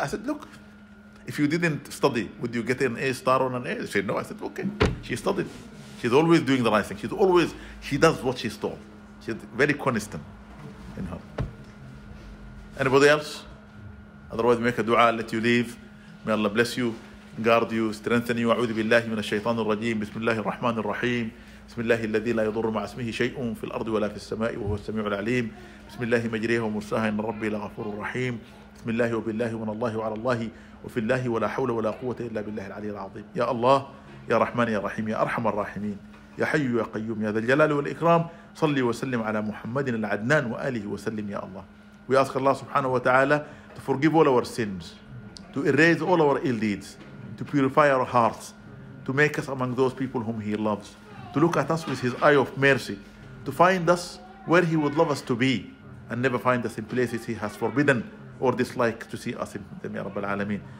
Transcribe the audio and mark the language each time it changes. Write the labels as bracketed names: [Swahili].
[English] I said, look, if you didn't study, would you get an A star or an A? She said, no. I said, okay. She studied. She's always doing the right thing. She does what she's told. She's very consistent in her. Anybody else? Otherwise, make a dua, let you leave. May Allah bless you, guard you, strengthen you. [Arabic] أعوذ بالله من الشيطان الرجيم. بسم الله الرحمن الرحيم. بسم الله الذي لا يضر مع اسمه شيء في الأرض ولا في السماء وهو السميع العليم. بسم الله مجريها ومرساها إن ربي لغفور رحيم. بسم الله وبالله ومن الله وعلى الله وفي الله ولا حول ولا قوة إلا بالله العلي العظيم. يا الله يا رحمن يا رحيم يا أرحم الراحمين يا حي يا قيوم يا ذا الجلال والإكرام صلي وسلم على محمد العدنان وآله وسلم يا الله. [English] We ask Allah subhanahu wa ta'ala to forgive all our sins, to erase all our ill deeds, to purify our hearts, to make us among those people whom He loves, to look at us with His eye of mercy, to find us where He would love us to be, and never find us in places He has forbidden or disliked to see us in them, ya Rabbil Alameen.